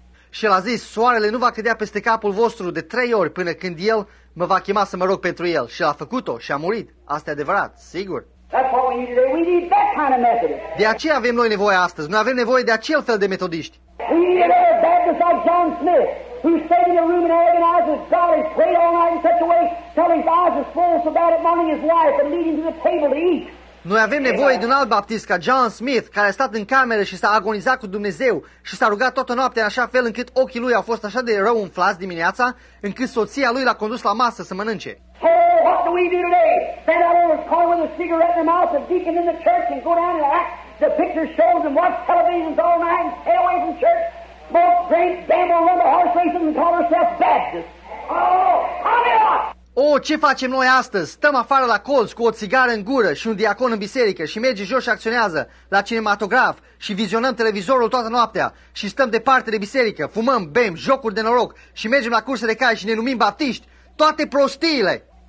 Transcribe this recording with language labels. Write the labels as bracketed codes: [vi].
[ro] Și el a zis, soarele nu va cădea peste capul vostru de trei ori până când el mă va chema să mă rog pentru el. Și l-a făcut-o și a murit. Asta e adevărat, sigur. [en] That's what we need today. We need that kind of Methodist. [ro] De aceea avem noi nevoie astăzi. Noi avem nevoie de acel fel de metodiști. [en] We need a Baptist like John Smith, who stayed in a room and agonized his God and prayed all night in such a way, telling his eyes was full so bad at morning his wife and leading to the table to eat. [ro] Noi avem nevoie de un alt baptist ca John Smith, care a stat în cameră și s-a agonizat cu Dumnezeu și s-a rugat toată noaptea în așa fel încât ochii lui au fost așa de rău umflați dimineața, încât soția lui l-a condus la masă să mănânce. [en] Oh, what do we do today? Stand out on the corner with a cigarette in the mouth and deacon in the church and go down and act the picture shows and watch televisions all night and stay away from church, smoke, drink, gamble, run the horse races and call ourselves Baptists. Oh, I'm here! [ro] Oh, ce facem noi astăzi? Stăm afară la colț cu o țigară în gură și un diacon în biserică și merge jos și acționează la cinematograf și vizionăm televizorul toată noaptea și stăm departe de biserică, fumăm, bem, jocuri de noroc și mergem la curse de cai și ne numim baptiști. Toate prostiile!